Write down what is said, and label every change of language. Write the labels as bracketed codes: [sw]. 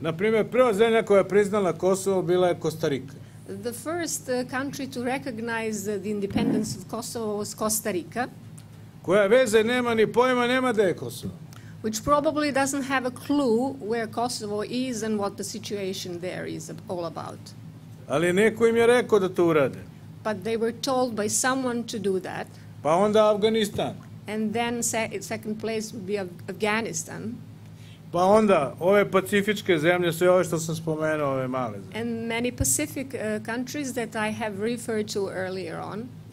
[sr] Na primjer, prva zemlja koja je priznala Kosovo bila je Kostarika. [en] The first country to recognize the independence of Kosovo was Costa Rica. [sr] Koja veze nema ni pojma nema da je Kosovo. [en] Which probably doesn't have a clue where Kosovo is and what the situation there is all about. [sr] Ali neko im je rekao da to urade. [en] But they were told by someone to do that. [sr] Pa onda Afganistan. [en] And then second place would be Afghanistan. [sr] Pa onda, ove pacifičke zemlje, sve ove što sam spomenuo, ove male zemlje. [en] And many Pacific countries that I have referred to earlier on.